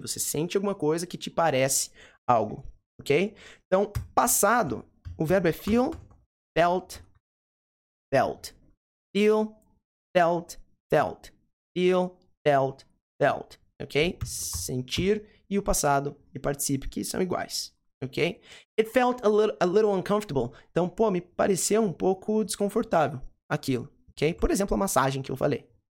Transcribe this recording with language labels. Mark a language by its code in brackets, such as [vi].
[pt] Você sente alguma coisa que te parece algo. Ok? Então, passado, o verbo é feel, felt, felt. [en] Feel, felt, felt. Feel, felt, felt. Ok? [pt] Sentir e o passado e participe, que são iguais. Ok? [en] It felt a little uncomfortable. [pt] Então, pô, me pareceu um pouco desconfortável aquilo. Okay? Por exemplo, a massagem que eu falei,